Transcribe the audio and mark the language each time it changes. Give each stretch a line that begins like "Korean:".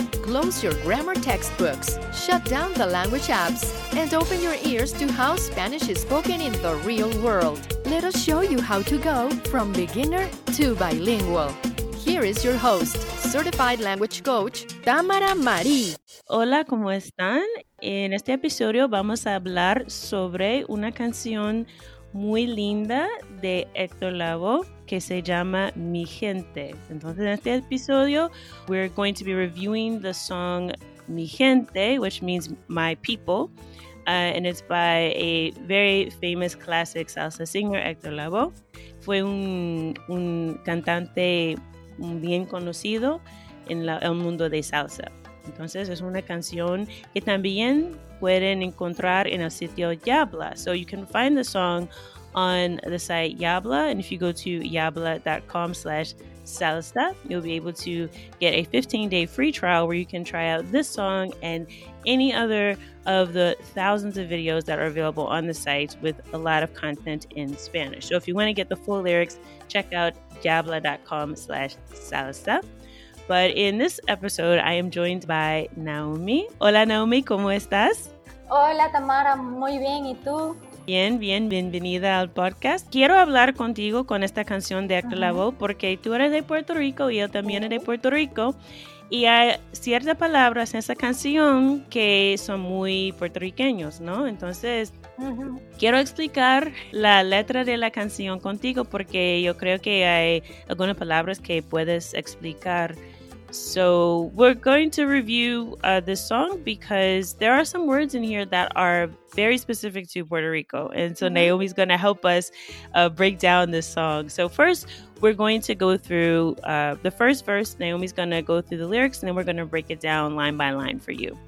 English: Close your grammar textbooks, shut down the language apps, and open your ears to how Spanish is spoken in the real world. Let us show you how to go from beginner to bilingual. Here is your host, certified language coach, Tamara Marie.
Spanish: Hola, ¿cómo están? En este episodio vamos a hablar sobre una canción muy linda de Héctor Lavoe que se llama Mi Gente.
English: Entonces, en este episodio, we're going to be reviewing the song Mi Gente, which means my people, And it's by a very famous classic salsa singer, Héctor Lavoe.
Spanish: Fue un cantante bien conocido en el mundo de salsa. Entonces, es una canción que también pueden encontrar en el sitio Yabla.
English: So you can find the song on the site Yabla. And if you go to yabla.com/salsa, you'll be able to get a 15-day free trial where you can try out this song and any other of the thousands of videos that are available on the site with a lot of content in Spanish. So if you want to get the full lyrics, check out yabla.com/salsa. But in this episode, I am joined by Naomi.
Spanish: Hola, Naomi, ¿cómo estás? Hola, Tamara, muy bien, ¿y tú? Bien, bien, bienvenida al podcast. Quiero hablar contigo con esta canción de Héctor Lavoe, porque tú eres de Puerto Rico y él también es de Puerto Rico. Y hay ciertas palabras en esa canción que son muy puertorriqueños, ¿no? Entonces, quiero explicar la letra de la canción contigo porque yo creo que hay algunas palabras que puedes explicar.
English: So, we're going to review this song because there are some words in here that are very specific to Puerto Rico. And so Naomi's going to help us break down this song. So first, we're going to go through the first verse. Naomi's going to go through the lyrics and then we're going to break it down line by line for you.